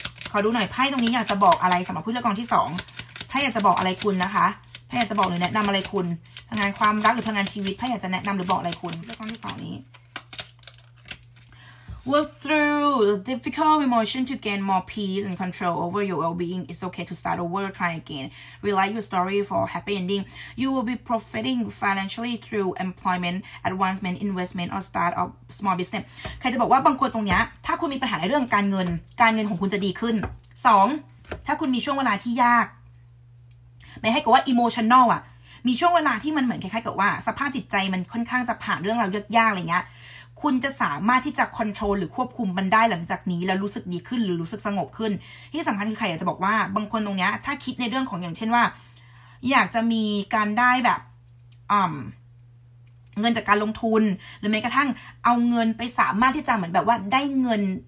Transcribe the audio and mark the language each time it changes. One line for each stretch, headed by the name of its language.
Thai: ขอดูหน่อยไพ่ตรงนี้อยากจะบอกอะไรสำหรับผู้เลือกกองที่สองไพ่อยากจะบอกอะไรคุณนะคะไพ่อยากจะบอกหรือแนะนำอะไรคุณทำงานความรักหรือทำงานชีวิตไพ่อยากจะแนะนำหรือบอกอะไรคุณเลือกกองที่สองนี้
English: Work through the difficult emotion to gain more peace and control over your well-being. It's okay to start over, try again. Rewrite your story for a happy ending. You will be profiting financially through employment, advancement, investment, or start a small business.
Thai: ใครจะบอกว่าบางคนตรงนี้ถ้าคุณมีปัญหาในเรื่องการเงินของคุณจะดีขึ้น 2. ถ้าคุณมีช่วงเวลาที่ยากไม่ให้กับว่า emotional อ่ะมีช่วงเวลาที่มันเหมือนคล้ายๆกับว่าสภาพจิตใจมันค่อนข้างจะผ่านเรื่องราวยากๆอะไรเงี้ยคุณจะสามารถที่จะคอนโทรลหรือควบคุมมันได้หลังจากนี้แล้วรู้สึกดีขึ้นหรือรู้สึกสงบขึ้นที่สำคัญคือใครอยากจะบอกว่าบางคนตรงนี้ถ้าคิดในเรื่องของอย่างเช่นว่าอยากจะมีการได้แบบเงินจากการลงทุนหรือแม้กระทั่งเอาเงินไปสามารถที่จะเหมือนแบบว่าได้เงิน